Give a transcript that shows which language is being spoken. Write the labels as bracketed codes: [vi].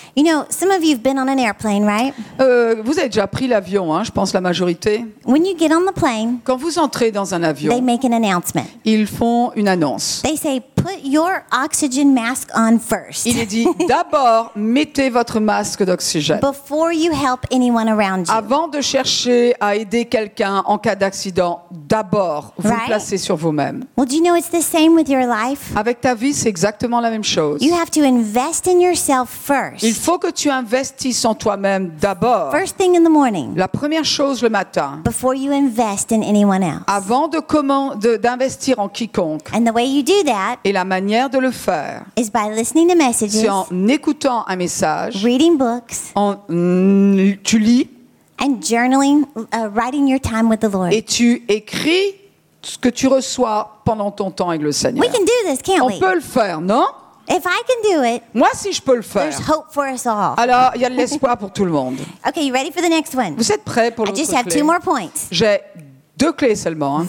[en] You know, some of you have been on an airplane, right? [fr] Vous avez déjà pris l'avion, hein, je pense la majorité. [en] When you get on the plane, [fr] quand vous entrez dans un avion, [en] they make an announcement. [fr] Ils font une annonce. [en] They say, put your oxygen mask on first. [fr] Il est dit, d'abord, mettez votre masque d'oxygène. [en] Before you help anyone around you. [fr] Avant de chercher à aider quelqu'un en cas d'accident, d'abord, vous [en] right? [fr] placez sur vous-même. [en] Well, do you know it's the same with your life? [fr] Avec ta vie, c'est exactement la même chose. [en] You have to invest in yourself first. [fr] Il faut que tu investisses en toi-même d'abord. [en] First thing in the morning. [fr] La première chose le matin. [en] Before you invest in anyone else. [fr] Avant d'investir en quiconque. [en] And the way you do that. [fr] Et la manière de le faire. [en] Is by listening to messages. [fr] C'est en écoutant un message. [en] Reading books. [fr] Tu lis. [en] And journaling, writing your time with the Lord. [fr] Et tu écris ce que tu reçois pendant ton temps avec le Seigneur. [en] We can do this, can't [fr] on [en] we? [fr] Peut le faire, non? [en] If I can do it, [fr] moi, si je peux le faire, [en] there's hope for us all. [fr] Alors, il y a de l'espoir pour tout le monde. [en] Okay, you ready for the next one? [fr] Vous êtes prêts pour [en] I just have two more points. [fr] J'ai deux clés seulement. Hein.